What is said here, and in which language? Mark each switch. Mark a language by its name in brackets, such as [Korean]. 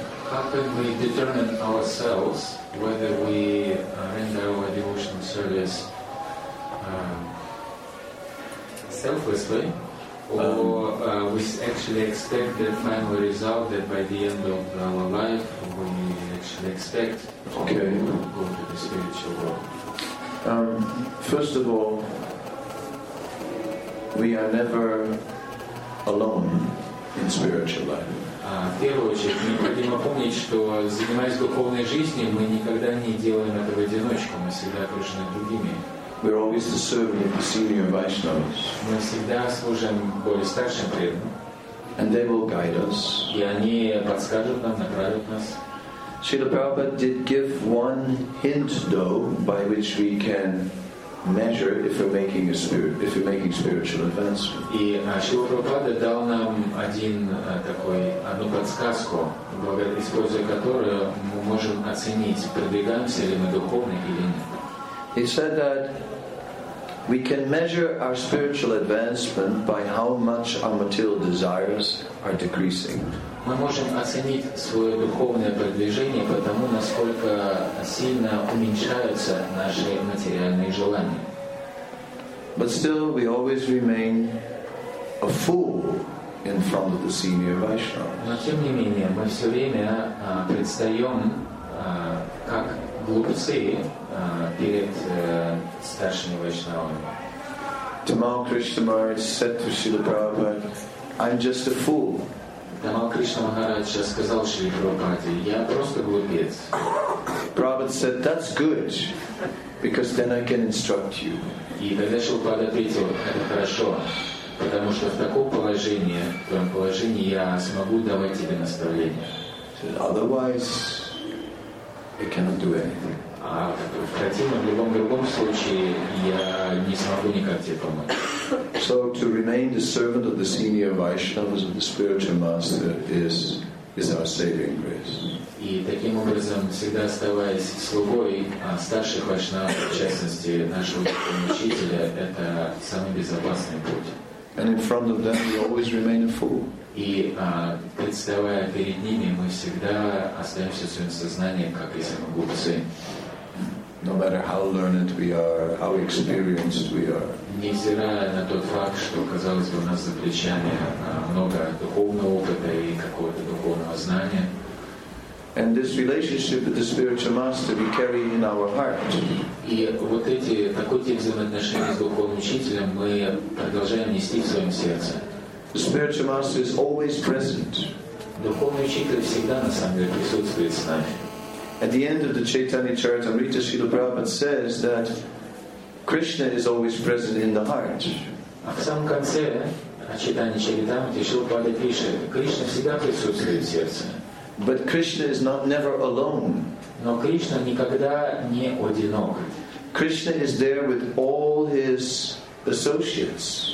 [English] How can we determine ourselves whether we render our devotional service selflessly or we actually expect the final result that by the end of our life we actually expect to go to the spiritual world? First of all, we are never alone in spiritual life. [Russian] Первую очередь необходимо помнить, что занимаясь духовной жизнью, мы никогда не делаем это в одиночку, мы всегда окружены другими. [English] We're always the servant of the senior Vaishnavas. [Russian] Мы всегда служим более старшим преданным. [English] And they will guide us. [Russian] И они подскажут нам, направят нас. [English] Srila Prabhupada did give one hint, though, by which we can measure if we're making a spirit, if we're making spiritual advancement. [Russian] И Шрила Прабхупада дал нам один такой одну подсказку, используя которую мы можем оценить, продвигаемся ли мы духовно или нет. [English] He said that we can measure our spiritual advancement by how much our material desires are decreasing. [Russian] Мы можем оценить свое духовное продвижение по тому, насколько сильно уменьшаются наши материальные желания. [English] But still, we always remain a fool in front of the senior Vaishnavas. [Russian] Но тем не менее, мы все время предстаем как глупцы перед старшими Вайшнавами. [English] Tamal Krishnamurti said to Srila Prabhupada, "I'm just a fool." [Russian] Тамал Кришна Махарадж сказал Шри Прабхупаде, я просто глупец. [English] Prabhupada said, that's good, because then I can instruct you. [Russian] И тогда Шри Прабхупада ответил, это хорошо, потому что в таком положении, в том положении я смогу давать тебе наставление. [English] Otherwise, I cannot do anything. [Russian] А в противном, в любом другом случае, я не смогу никак тебе помочь. [English] So to remain the servant of the senior Vaishnavas of the spiritual master is our saving grace. [Russian] И таким образом, всегда оставаясь слугой старших вайшнав, в частности нашего учителя, это самый безопасный путь. [English] And in front of them, we always remain a fool. [Russian] И представая перед ними, мы всегда остаемся в своем сознании как если мы глупцы. [English] No matter how learned we are, how experienced we are. [Russian] Невзирая на тот факт, что, казалось бы, у нас за плечами много духовного опыта и какого-то духовного знания. [English] And this relationship with the spiritual master we carry in our heart. [Russian] И вот эти, такой тип взаимоотношений с духовным учителем мы продолжаем нести в своем сердце. [English] The spiritual master is always present. [Russian] Духовный учитель всегда, на самом деле, присутствует с нами. [English] At the end of the Chaitanya Charitamrita, Srila Prabhupada says that Krishna is always present in the heart. [Russian] А в самом конце Чайтанья Чаритамриты Шрила Прабхупада пишет, Кришна всегда присутствует в сердце. [English] But Krishna is not never alone. [Russian] Но Кришна никогда не одинок. [English] Krishna is there with all his associates.